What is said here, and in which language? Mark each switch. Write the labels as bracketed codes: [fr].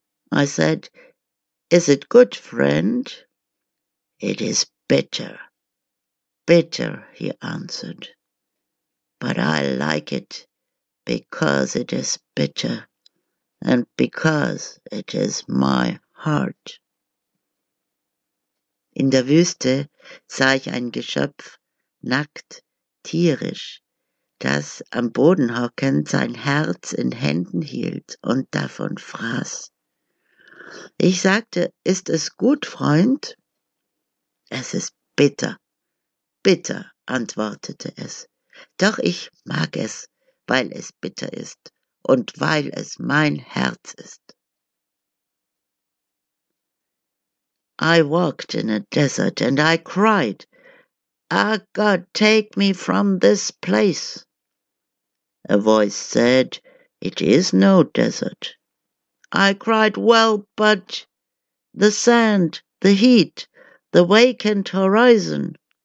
[en] I said, "Is it good, friend?" "It is bitter, bitter," he answered. "But I like it because it is bitter and because it is my heart." [de] In der Wüste sah ich ein Geschöpf, nackt, tierisch, das am Boden hockend sein Herz in Händen hielt und davon fraß. Ich sagte, "Ist es gut, Freund?" "Es ist bitter, bitter," antwortete es. "Doch ich mag es, weil es bitter ist und weil es mein Herz ist." [en] I walked in a desert and I cried, "Ah, God, take me from this place." A voice said, "It is no desert." I cried, "Well, but the sand, the heat, the vacant horizon."